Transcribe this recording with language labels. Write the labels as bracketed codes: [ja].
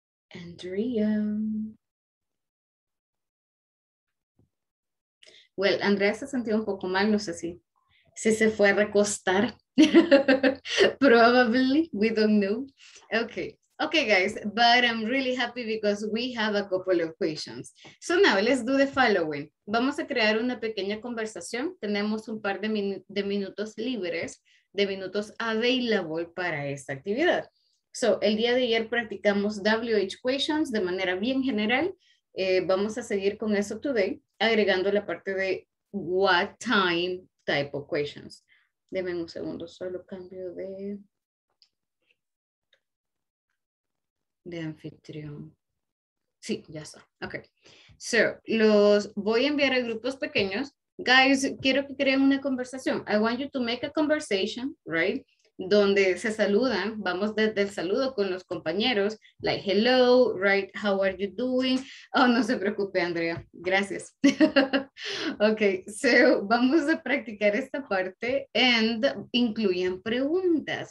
[es] Andrea. Well, Andrea se sentía un poco mal, no sé si se fue a recostar. [en] Probably, we don't know. Okay. Okay, guys, but I'm really happy because we have a couple of questions. So now let's do the following. [es] Vamos a crear una pequeña conversación. Tenemos un par de minutos libres, de minutos available para esta actividad. So, el día de ayer practicamos WH questions de manera bien general. Vamos a seguir con eso today, agregando la parte de what time type of questions. Deme un segundo, solo cambio de anfitrión. Sí, ya está. Okay. So, los voy a enviar a grupos pequeños. Guys, quiero que creen una conversación. [en] I want you to make a conversation, right? [es] Donde se saludan, vamos desde el saludo con los compañeros, [en] like, hello, right, how are you doing? [es] Oh, no se preocupe, Andrea, gracias. Okay, so vamos a practicar esta parte and incluyan preguntas.